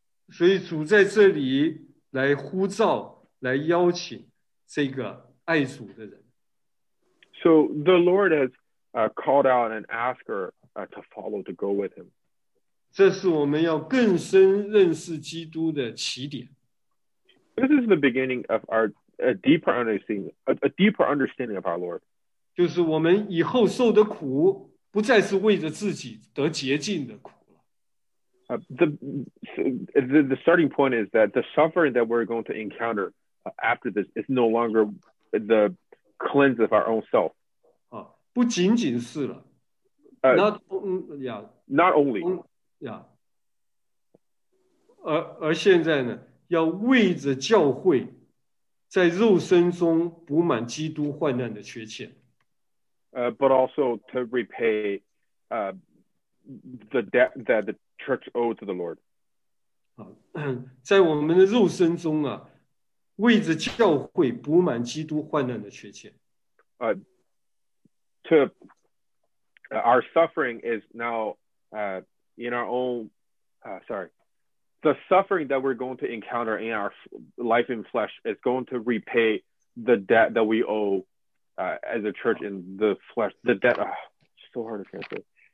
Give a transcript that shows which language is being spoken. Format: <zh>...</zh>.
<zh>所以主在这里来呼召，来邀请这个爱主的人。</zh> <en>So the Lord has called out and asked her to follow, to go with him.</en> <zh>这是我们要更深认识基督的起点。</zh> <en>This is the beginning of our deeper understanding of our Lord.</en> <zh>就是我们以后受的苦不再是为着自己得洁净的苦了。</zh> <en>The starting point is that the suffering that we're going to encounter after this is no longer the cleanse of our own self.</en> <zh>不仅仅是了。</zh> <en>Not only. Yeah.</en> <zh>而现在呢，要为着教会在肉身中补满基督患难的缺欠。</zh> <en>But also to repay the debt that the church owed to the Lord.</en> <zh>在我们的肉身中啊，为着教会补满基督患难的缺欠。</zh> <en>Our suffering is now in our own, the suffering that we're going to encounter in our life in flesh is going to repay the debt that we owe as a church in the flesh, the debt, so hard to translate.</en>